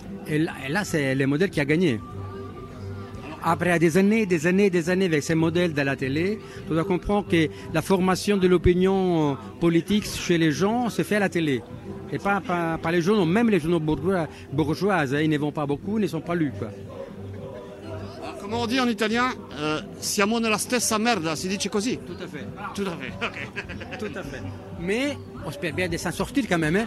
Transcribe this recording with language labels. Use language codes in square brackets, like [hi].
[fr] Et là, c'est le modèle qui a gagné. Après des années et des années et des années avec ces modèles de la télé, on doit comprendre que la formation de l'opinion politique chez les gens se fait à la télé. Et pas par les journaux, même les journaux bourgeois, ils ne vont pas beaucoup, ils ne sont pas lus. Quoi. Alors, comment on dit en italien [it] Siamo nella stessa merda, si dice così? [fr] Tout à fait. Tout à fait, ok. Tout à fait. Mais on espère bien de s'en sortir quand même. Hein.